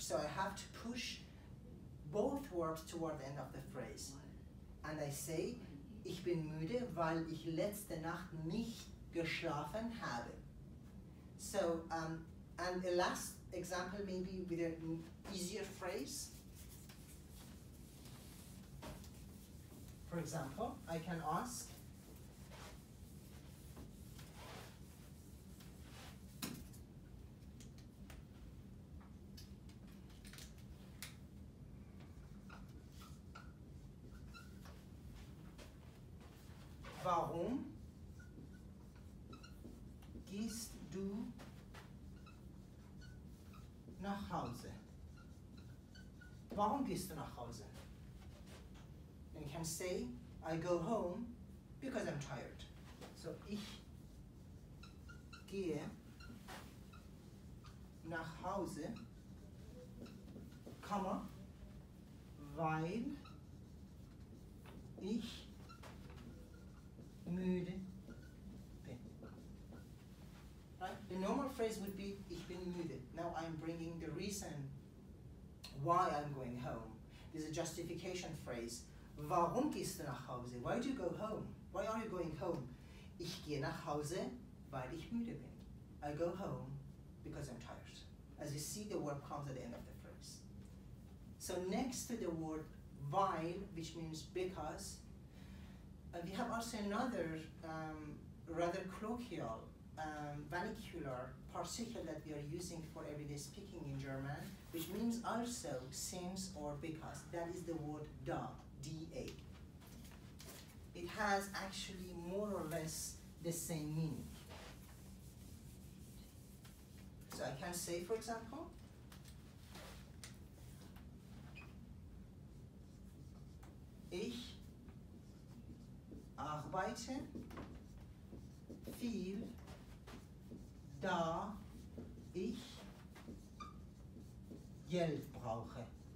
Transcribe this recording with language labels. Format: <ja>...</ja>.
<en>So I have to push both words toward the end of the phrase. And I say,</en> <de>ich bin müde, weil ich letzte Nacht nicht geschlafen habe.</de> <en>So, and the last example, maybe with an easier phrase. For example, I can ask,</en> <de>warum gehst du nach Hause? Warum gehst du nach Hause?</de> <en>And can say, I go home because I'm tired.</en> <de>So, ich gehe nach Hause, comma, weil ich müde bin.</de> <en>Right? The normal phrase would be,</en> <de>ich bin müde.</de> <en>Now I'm bringing the reason why I'm going home. This is a justification phrase.</en> <de>Warum gehst du nach Hause?</de> <en>Why do you go home? Why are you going home?</en> <de>Ich gehe nach Hause, weil ich müde bin.</de> <en>I go home because I'm tired. As you see, the word comes at the end of the phrase. So next to the word weil, which means because, we have also another rather colloquial, vernacular particular that we are using for everyday speaking in German, which means also since or because. That is the word da. D-A. It has actually more or less the same meaning. So I can say, for example,</en> <de>ich arbeite viel, da ich Geld brauche.</de>